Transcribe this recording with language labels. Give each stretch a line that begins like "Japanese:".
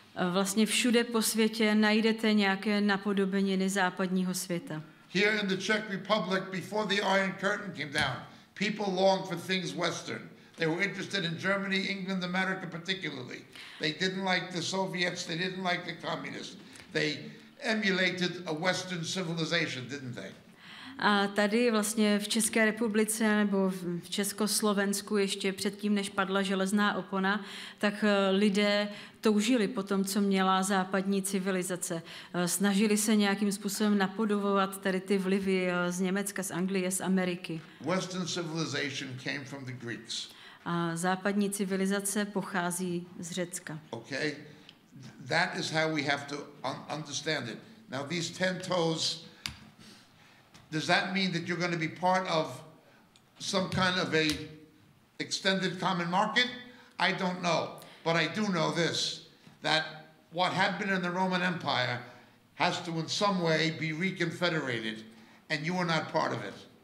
Czech: Vlastně všude po světě najdete nějaké napodobeniny západního světa.
English: Here in the Czech Republic, before the Iron Curtain came down, people longed for things Western. They were interested in Germany, England, America particularly. They didn't like the Soviets, they didn't like the communists. They emulated a Western civilization, didn't they?
Czech: A tady vlastně v České republice nebo v Československu ještě předtím, než padla železná opona, tak lidé toužili po tom, co měla západní civilizace. Snažili se nějakým způsobem napodobovat tady ty vlivy z Německa, z Anglie, z Ameriky.
English: Western civilization came from the Greeks.
Czech: A západní civilizace pochází z Řecka.
English: Okay. That is how we have to understand it. Now these 10 toes, does that mean that you're going to be part of some kind of a extended common market? I don't know. But I do know this, that what happened in the Roman Empire has to in some way be reconfederated, and you are not part of it.